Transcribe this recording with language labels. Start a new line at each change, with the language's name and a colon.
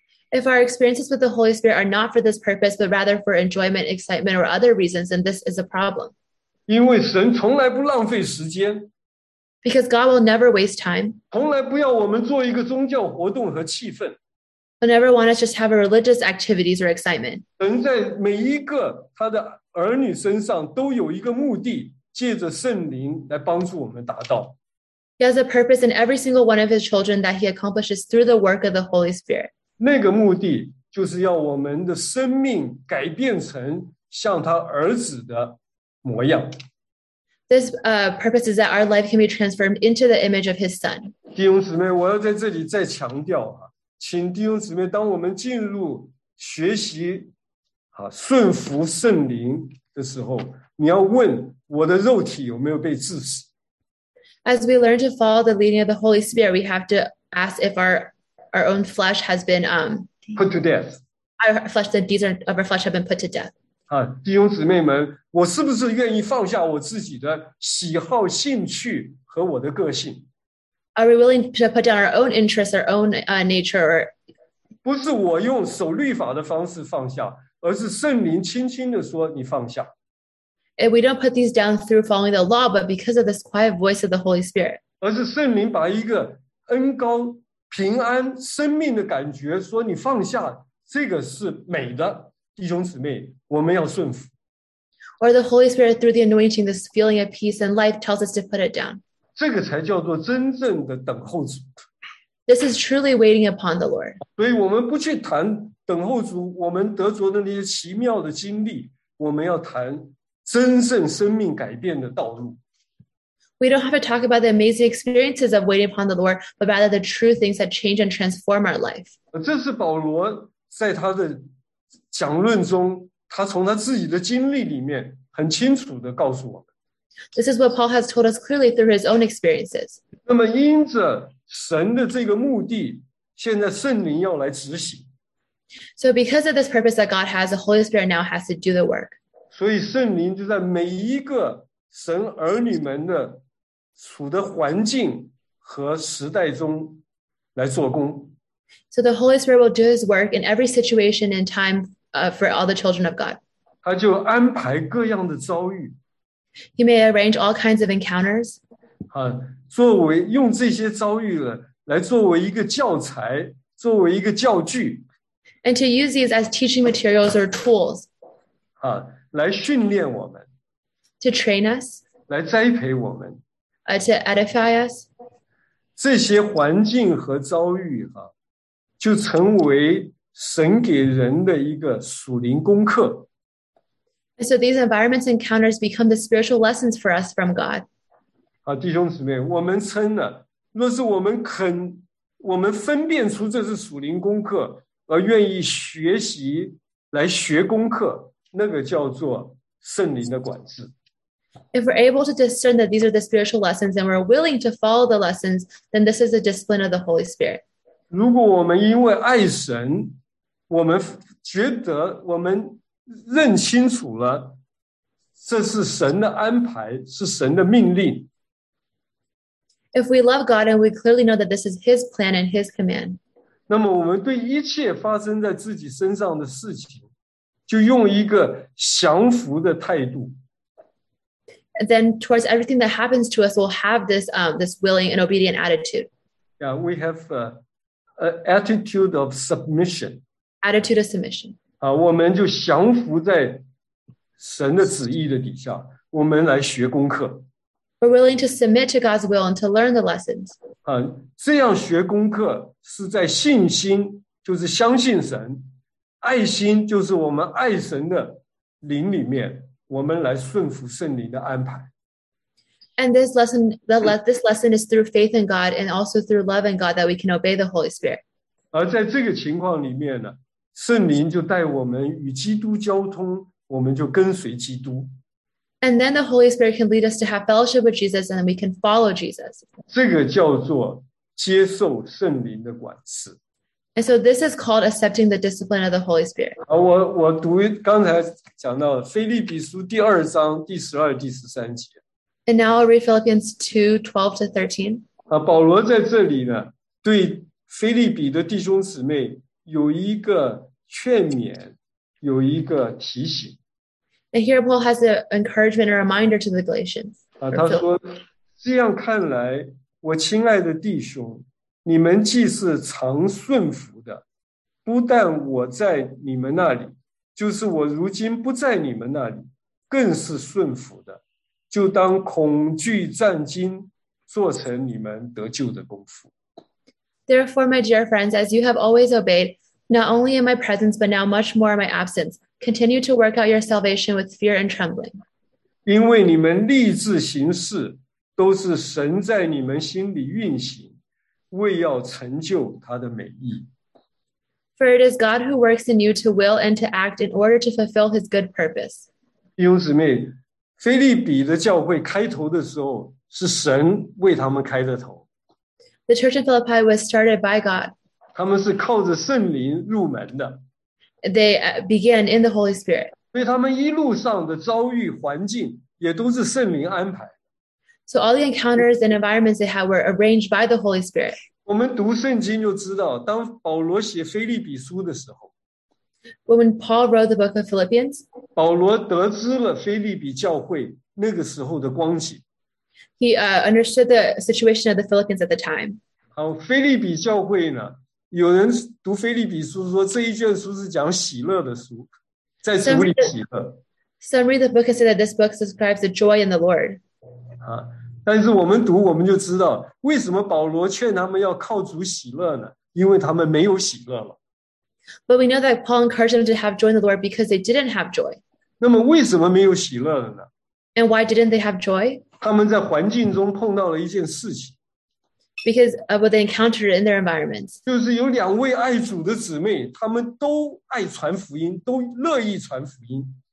English: If our experiences with the Holy Spirit are not for this purpose, but rather for enjoyment, excitement, or other reasons, then this is a problem.
Chinese: 因为神从来不浪费时间。
English: Because God will never waste time.
Chinese: 从来不要我们做一个宗教活动和气氛。
English: He'll never want us just have a religious activities or excitement.
Chinese: 神在每一个他的儿女身上都有一个目的，借着圣灵来帮助我们达到。
English: He has a purpose in every single one of His children that He accomplishes through the work of the Holy Spirit.
Chinese: 那个目的就是要我们的生命改变成像他儿子的模样。
English: This purpose is that our life can be transformed into the image of His Son.
Chinese: 弟兄姊妹，我要在这里再强调啊，请弟兄姊妹，当我们进入学习啊顺服圣灵的时候，你要问我的肉体有没有被致死。
English: As we learn to follow the leading of the Holy Spirit, we have to ask if our own flesh has been put to death. Our flesh, the deeds of our flesh have been put to death.
Chinese: 啊，弟兄姊妹们，我是不是愿意放下我自己的喜好、兴趣和我的个性？
English: Are we willing to put down our own interests, our own nature?
Chinese: 不是我用守律法的方式放下，而是圣灵轻轻地说你放下。
English: If we don't put these down through following the law, but because of this quiet voice of the Holy Spirit.
Chinese: 而是圣灵把一个恩高、平安、生命的感觉说你放下，这个是美的，弟兄姊妹，我们要顺服。
English: Or the Holy Spirit through the anointing, this feeling of peace and life tells us to put it down.
Chinese: 这个才叫做真正的等候主。
English: This is truly waiting upon the Lord.
Chinese: 所以我们不去谈等候主，我们得着的那些奇妙的经历，我们要谈真正生命改变的道路。
English: We don't have to talk about the amazing experiences of waiting upon the Lord, but rather the true things that change and transform our life.
Chinese: 这是保罗在他的讲论中，他从他自己的经历里面很清楚地告诉我们。
English: This is what Paul has told us clearly through his own experiences.
Chinese: 那么因着神的这个目的，现在圣灵要来执行。
English: So because of this purpose that God has, the Holy Spirit now has to do the work.
Chinese: 所以圣灵就在每一个神儿女们的处的环境和时代中来做工。
English: So the Holy Spirit will do His work in every situation and time for all the children of God.
Chinese: 他就安排各样的遭遇。
English: He may arrange all kinds of encounters.
Chinese: 啊，作为用这些遭遇来作为一个教材，作为一个教具。
English: And to use these as teaching materials or tools.
Chinese: 啊。来训练我们
English: ，to train us，
Chinese: 来栽培我们
English: ，to edify us。
Chinese: 这些环境和遭遇哈、啊，就成为神给人的一个属灵功课。
English: So these environments and encounters become the spiritual lessons for us from God。
Chinese: 啊，弟兄姊妹，我们称了，若是我们肯，我们分辨出这是属灵功课，而愿意学习来学功课。那个叫做圣灵的管制。
English: If we're able to discern that these are the spiritual lessons and we're willing to follow the lessons, then this is a discipline of the Holy Spirit.
Chinese: 如果我们因为爱神，我们觉得我们认清楚了，这是神的安排，是神的命令。
English: If we love God and we clearly know that this is His plan and His command,
Chinese: 那么我们对一切发生在自己身上的事情就用一个降服的态度。
English: Then towards everything that happens to us, we'll have this willing and obedient attitude. Yeah, we have an attitude of submission. Attitude of submission.
Chinese: 我们就降服在神的旨意的底下，我们来学功课。
English: We're willing to submit to God's will and to learn the lessons.
Chinese: 这样学功课是在信心，就是相信神，爱心就是我们爱神的灵里面，我们来顺服圣灵的安排。
English: And this lesson is through faith in God and also through love in God that we can obey the Holy Spirit.
Chinese: 而在这个情况里面呢，圣灵就带我们与基督交通，我们就跟随基督。
English: And then the Holy Spirit can lead us to have fellowship with Jesus and we can follow Jesus.
Chinese: 这个叫做接受圣灵的管制。
English: And so this is called accepting the discipline of the Holy Spirit.
Chinese: 我读刚才讲到腓立比书第二章第十二第十三节。
English: And now I'll read Philippians 2:12-13.
Chinese: 保罗在这里呢，对腓立比的弟兄姊妹有一个劝勉，有一个提醒。
English: And here Paul has an encouragement or reminder to the Galatians.
Chinese: 他说，这样看来，我亲爱的弟兄，你们既是常顺服的，不但我在你们那里，就是我如今不在你们那里，更是顺服的。就当恐惧战惊，做成你们得救的功夫。
English: Therefore, my dear friends, as you have always obeyed, not only in my presence, but now much more in my absence, continue to work out your salvation with fear and trembling.
Chinese: 因为你们立志行事，都是神在你们心里运行，为要成就他的美意。
English: For it is God who works in you to will and to act in order to fulfill his good purpose.
Chinese: 弟兄姊妹，腓立比的教会开头的时候是神为他们开的头。
English: The church in Philippi was started by God.
Chinese: 他们是靠着圣灵入门的。
English: They began in the Holy Spirit.
Chinese: 所以他们一路上的遭遇环境也都是圣灵安排。
English: So all the encounters and environments they had were arranged by the Holy Spirit.
Chinese: 我们读圣经就知道，当保罗写腓立比书的时候，
English: When Paul wrote the book of Philippians,
Chinese: 保罗得知了腓立比教会那个时候的光景。
English: He understood the situation of the Philippians at the time.
Chinese: 好，腓立比教会呢，有人读腓立比书说这一卷书是讲喜乐的书，在主里喜乐。
English: Some read the book and say that this book describes the joy in the Lord.
Chinese: 但是我们读我们就知道为什么保罗劝他们要靠主喜乐呢？因为他们没有喜乐了。
English: But we know that Paul encouraged them to have joy in the Lord because they didn't have joy.
Chinese: 那么为什么没有喜乐了呢？
English: And why didn't they have joy?
Chinese: 他们在环境中碰到了一件事情。
English: Because of what they encountered in their environment.
Chinese: 就是有两位爱主的姊妹，他们都爱传福音，都乐意传福音。